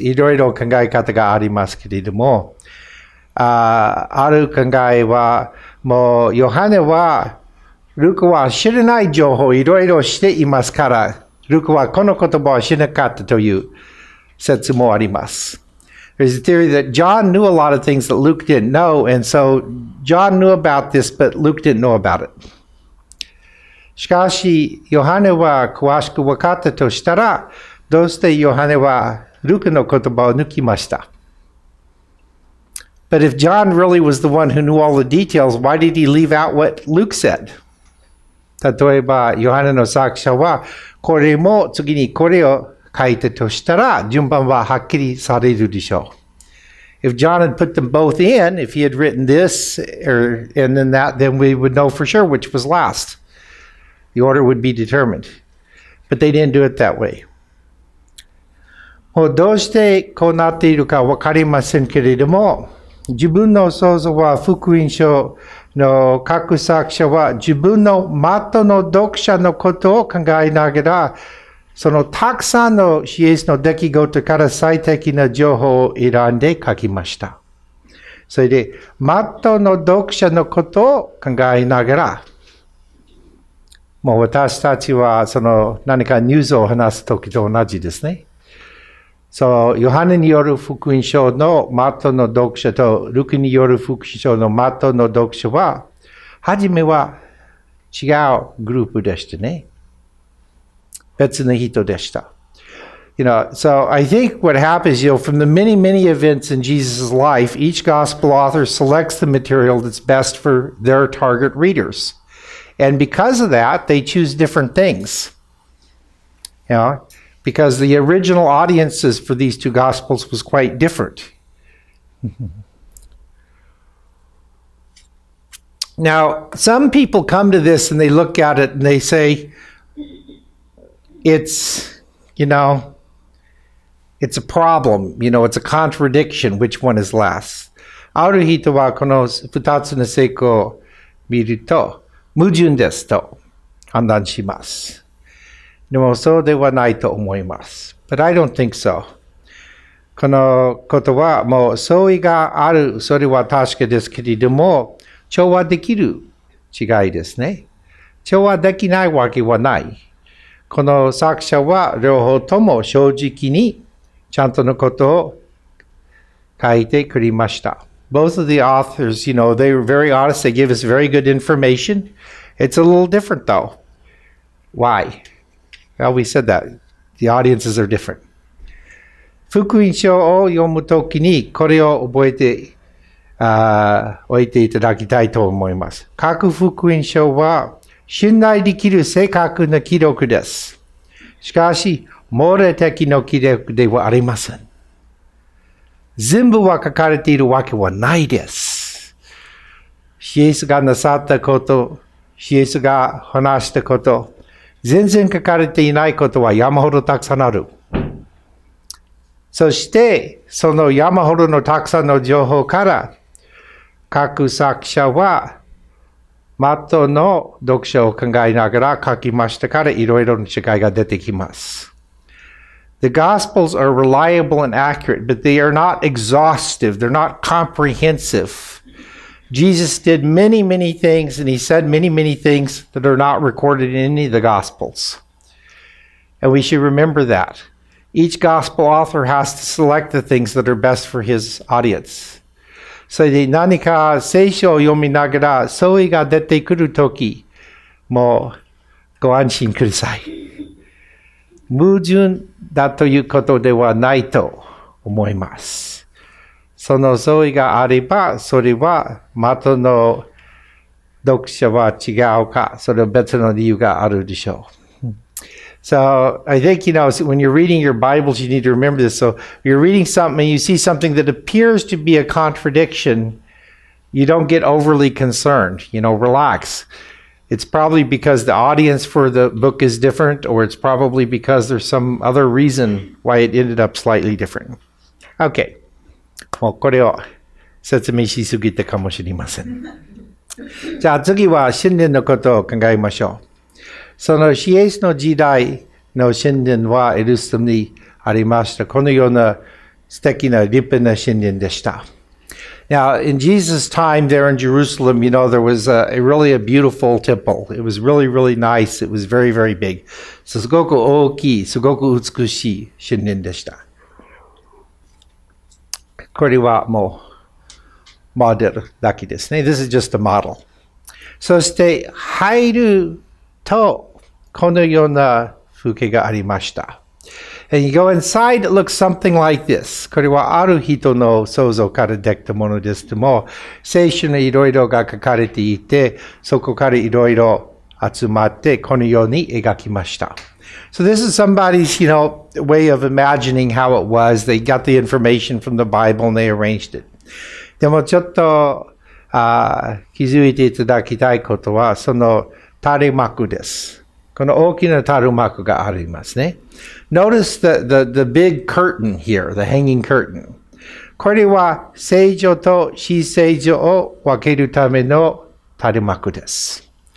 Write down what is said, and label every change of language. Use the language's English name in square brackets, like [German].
[Japanese] いろいろ考え方がありますけれども、ある考えは、もう、ヨハネは、ルカは知らない情報をいろいろしていますから、ルカはこの言葉は知らなかったという説もあります。 [English] There's a theory that John knew a lot of things that Luke didn't know, and so John knew about this, but Luke didn't know about it. [Japanese] しかし、ヨハネは詳しく分かったとしたら、どうしてヨハネはルカの言葉を抜きました? [English] But if John really was the one who knew all the details, why did he leave out what Luke said? [Japanese] 例えば、ヨハネの作者は、これも次にこれを書いたとしたら、順番ははっきりされるでしょう。 [English] If John had put them both in, if he had written this or, and then that, then we would know for sure which was last. The order would be determined. But they didn't do it that way. [Japanese] もうどうしてこうなっているかわかりませんけれども、自分の想像は福音書の各作者は自分の的の読者のことを考えながら、そのたくさんのイエスの出来事から最適な情報を選んで書きました。それで、的の読者のことを考えながら、もう私たちはその何かニュースを話すときと同じですね。 [English] So, [Japanese] ヨハネによる福音書の的の読者とルカによる福音書の的の読者は、はじめは違うグループでしたね。別の人でした。 [English] You know, so I think what happens, you know, from the many, many events in Jesus' life, each gospel author selects the material that's best for their target readers. And because of that, they choose different things. You know, because the original audiences for these two gospels was quite different. Now, some people come to this and they look at it and they say, It's a problem. You know, it's a contradiction. Which one is last? [Japanese] ある人はこの二つの聖句を見ると矛盾ですと判断します。でもそうではないと思います。 [English] But I don't think so. [Japanese] このことはもう相違がある。それは確かですけれども、調和できる違いですね。調和できないわけはない。この作者は両方とも正直にちゃんとのことを書いてくれました。 [English] Both of the authors, you know, they were very honest. They gave us very good information. It's a little different though. Why? Well, we said that. The audiences are different. [Japanese] 福音書を読むときにこれを覚えて、おいていただきたいと思います。各福音書は信頼できる正確な記録です。しかし、漏れ的な記録ではありません。全部は書かれているわけはないです。イエスがなさったこと、イエスが話したこと、全然書かれていないことは山ほどたくさんある。そして、その山ほどのたくさんの情報から、各作者は、マットの読者を考えながら書きましたからいろいろな違いが出てきます。 [English] The Gospels are reliable and accurate, but they are not exhaustive. They're not comprehensive. Jesus did many, many things, and he said many, many things that are not recorded in any of the Gospels. And we should remember that. Each Gospel author has to select the things that are best for his audience. [Japanese] それで何か聖書を読みながら相違が出てくるとき、もうご安心ください。矛盾だということではないと思います。その相違があれば、それは的の読者は違うか、それは別の理由があるでしょう。 [English] So I think, you know, when you're reading your Bibles, you need to remember this. So if you're reading something and you see something that appears to be a contradiction, you don't get overly concerned. You know, relax. It's probably because the audience for the book is different, or it's probably because there's some other reason why it ended up slightly different. Okay. Well, [Japanese] これを説明しすぎたかもしれません。じゃあ次は信念のことを考えましょう。そのイエスの時代の神殿はエルサレムにありました。このような素敵な立派な神殿でした。 [English] Now, in Jesus' time there in Jerusalem, you know, there was a really a beautiful temple. It was really, really nice. It was very, very big. So, [Japanese] すごく大きい、すごく美しい神殿でした。これはもうモデルだけですね。 [English] This is just a model. [Japanese] そして入るとこのような風景がありました。 [English] And you go inside, it looks something like this. [Japanese] これはある人の想像からできたものですけども、聖書のいろいろが書かれていて、そこからいろいろ集まってこのように描きました。 [English] So this is somebody's, you know, way of imagining how it was. They got the information from the Bible and they arranged it. [Japanese] でもちょっと気づいていただきたいことは、その垂幕です。この大きな垂幕がありますね。 [English] Notice the big curtain here, the hanging curtain. [Japanese] これは聖所と非聖所を分けるための垂幕です。